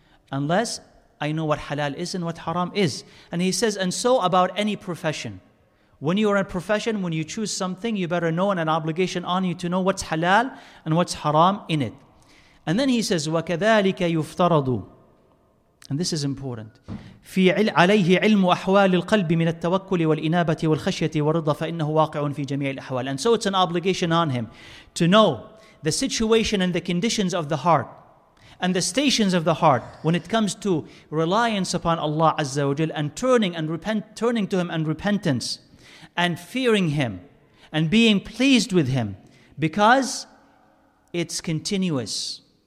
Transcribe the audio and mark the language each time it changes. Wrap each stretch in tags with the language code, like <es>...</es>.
<en>Unless I know what halal is and what haram is. And he says, and so about any profession. When you are in a profession, when you choose something, you better know and an obligation on you to know what's halal and what's haram in it. And then he says,</en> <ar>وَكَذَلِكَ يُفْتَرَضُ.</ar> <en>And this is important.</en> <ar>في عليه علم أحوال القلب من التوكل والإنابة والخشية والرضا فإنه واقع في جميع الأحوال.</ar> <en>And so it's an obligation on him to know the situation and the conditions of the heart and the stations of the heart when it comes to reliance upon Allah Azza wa Jal and turning to Him and repentance and fearing Him and being pleased with Him, because it's continuous.</en>